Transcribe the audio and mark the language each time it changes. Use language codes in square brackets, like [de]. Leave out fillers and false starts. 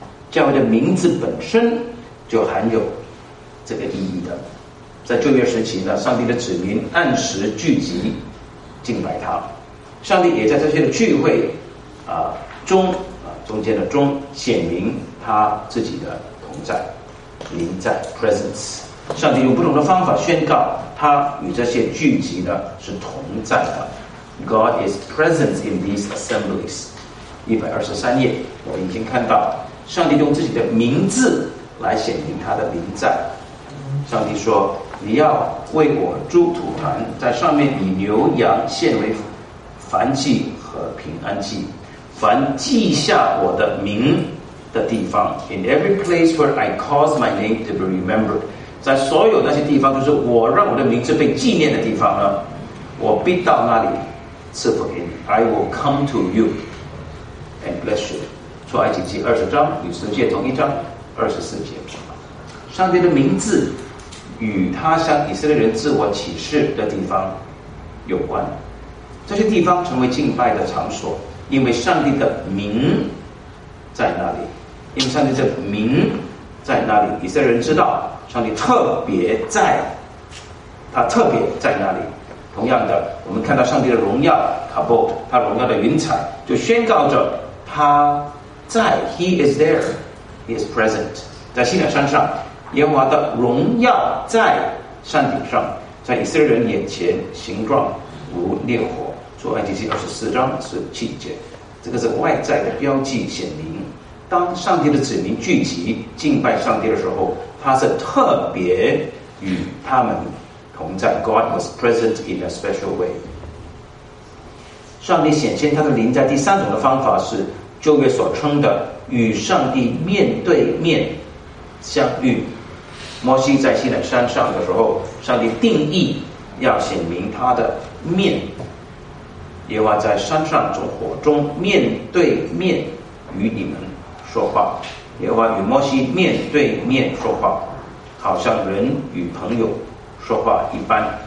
[zh] 教会的名字本身就含有这个意义的，在旧约时期呢，上帝的子民按时聚集敬拜他，上帝也在这些的聚会中间的中显明他自己的同在、临在 presence。上帝用不同的方法宣告他与这些聚集呢是同在的。 [en] God is present in these assemblies。 [zh] 123页，我已经看到上帝用自己的名字来显明他的临在。上帝说，你要为我筑土坛，在上面以牛羊献为燔祭和平安祭，凡记下我的名的地方， [en] in every place where I cause my name to be remembered， [zh] 在所有那些地方，就是我让我的名字被纪念的地方呢，我必到那里赐福给你。 [en] I will come to you and bless you。 [zh] 出埃及记20章与十诫同一章24节，上帝的名字与他向以色列人自我启示的地方有关，这些地方成为敬拜的场所，因为上帝的名在那里，因为上帝的名在那里，以色列人知道上帝特别在，他特别在那里。同样的，我们看到上帝的荣耀，卡布他荣耀的云彩，就宣告着他在。 [en] He is there, He is present。 [zh] 在西乃山上，耶和华的荣耀在山顶上，在以色列人眼前形状如烈火，出埃及记24章17节。这个是外在的标记显明，当上帝的子民聚集敬拜上帝的时候，他是特别与他们同在。 [en] God was present in a special way。 [zh] 上帝显现他的临在第三种的方法是旧约所称的与上帝面对面相遇。摩西在西乃山上的时候，上帝定义要显明他的面，耶和华在山上从火中面对面与你们说话，耶和华与摩西面对面说话，好像人与朋友说话一般。